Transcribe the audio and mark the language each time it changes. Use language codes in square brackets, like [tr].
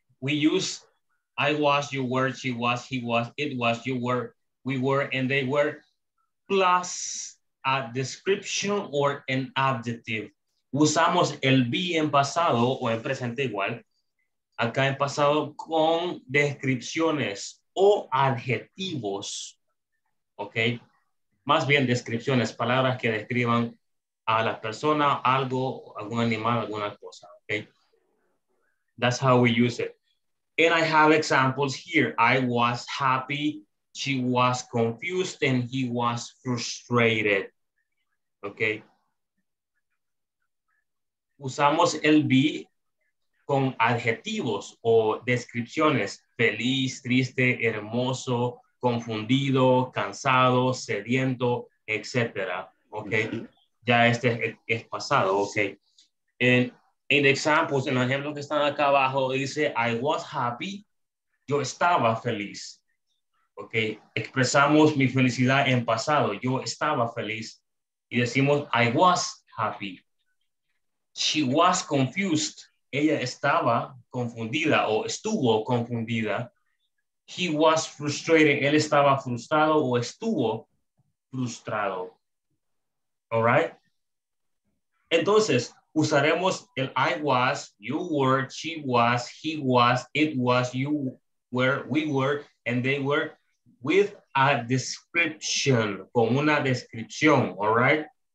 [en] We use I was, you were, she was, he was, it was, you were, we were, and they were, plus a description or an adjective. [es] Usamos el be en pasado o en presente igual. Acá en pasado con descripciones o adjetivos. Ok. Más bien descripciones, palabras que describan a la persona, algo, algún animal, alguna cosa. [en] Ok. That's how we use it. And I have examples here. I was happy, she was confused, and he was frustrated. Okay. [es] Usamos el be con adjetivos o descripciones. Feliz, triste, hermoso, confundido, cansado, sediento, etc. Okay. Mm-hmm. Ya este es pasado. Okay. En examples, en los ejemplos que están acá abajo, dice, [en] I was happy, [es] yo estaba feliz. Ok, expresamos mi felicidad en pasado, yo estaba feliz. Y decimos, [en] I was happy. She was confused, [es] ella estaba confundida o estuvo confundida. [en] He was frustrated, [es] él estaba frustrado o estuvo frustrado. [en] All right? [es] Entonces, usaremos el [en] I was, you were, she was, he was, it was, you were, we were, and they were with a description, [es] con una descripción, [en] all right?